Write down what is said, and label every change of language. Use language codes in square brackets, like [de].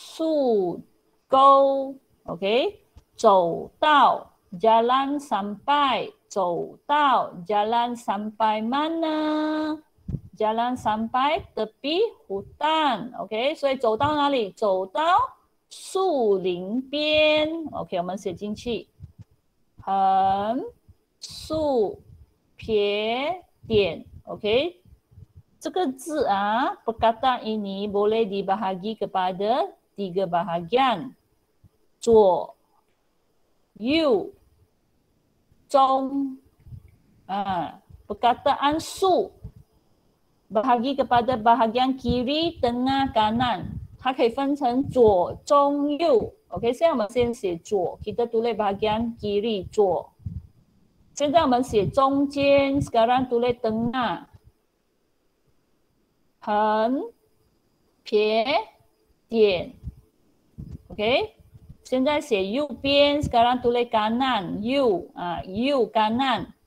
[zh] 现在写右边橄榄，竖竖钩 ，OK， 走到 jalan sampai， 走到 [ms] jalan sampai mana？ jalan sampai tepi hutan， [zh] OK， 所以走到哪里？走到树林边， OK， 我们写进去，横竖撇点。 [ms] OK， 这个字 perkataan ini boleh dibahagi kepada tiga bahagian， 左 右 中 perkataan 树 bahagi kepada bahagian kiri tengah kanan， [zh] 它可以分成左中右。 OK， 现在我们先写左， [ms] kita tulis bahagian kiri [zh] 左。现在我们写中间， [ms] sekarang tulis tengah， [zh] 横撇点， OK， 现在写右边， [ms] sekarang tulis kanan， [zh] 右， 右 kanan，